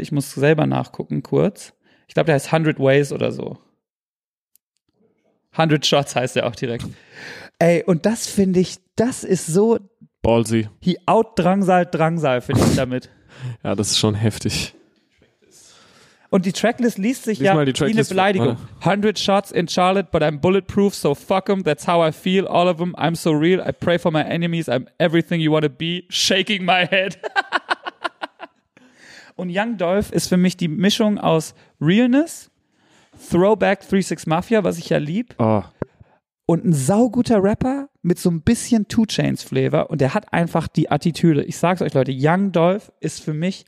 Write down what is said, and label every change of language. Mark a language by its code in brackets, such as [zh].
[de] Ich muss selber nachgucken kurz. Ich glaube, der heißt 100 Ways oder so. 100 Shots heißt er auch direkt. Ey, und das finde ich, das ist so [en] ballsy. He out-Drangsal-Drangsal, [de] finde ich damit. Ja, das ist schon heftig. Und die Tracklist liest sich ja wie eine Beleidigung. [en] 100 Shots in Charlotte, but I'm bulletproof, so fuck 'em, that's how I feel, all of them, I'm so real, I pray for my enemies, I'm everything you wanna be, shaking my head. [de] Und Young Dolph ist für mich die Mischung aus Realness, Throwback 36 Mafia, was ich ja lieb. Oh. Und ein sauguter Rapper mit so ein bisschen 2 Chainz Flavor und der hat einfach die Attitüde. Ich sag's euch, Leute, Young Dolph ist für mich.